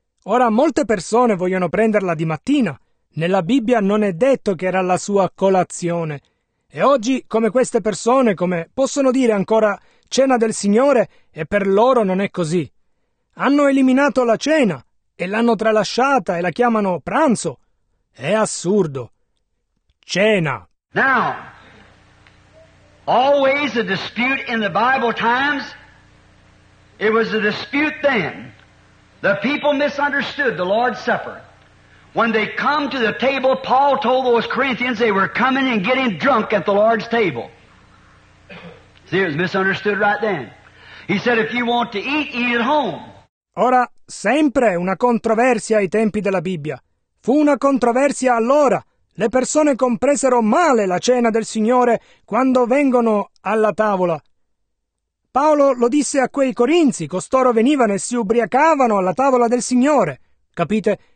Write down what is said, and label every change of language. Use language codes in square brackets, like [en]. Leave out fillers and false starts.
[it] Ora molte persone vogliono prenderla di mattina. Nella Bibbia non è detto che era la sua colazione. E oggi, come queste persone, come possono dire ancora cena del Signore, e per loro non è così. Hanno eliminato la cena e l'hanno tralasciata e la chiamano pranzo. È assurdo. Cena. [en] Now, always a dispute in the Bible times, it was a dispute then. The people misunderstood the Lord's Supper. When they come to the table, Paul told those Corinthians they were coming and getting drunk at the Lord's table. See, it was misunderstood right then. He said, if you want to eat, eat at home. [it] Ora, sempre una controversia ai tempi della Bibbia. Fu una controversia allora. Le persone compresero male la cena del Signore quando vengono alla tavola. Paolo lo disse a quei corinzi, costoro venivano e si ubriacavano alla tavola del Signore. Capite?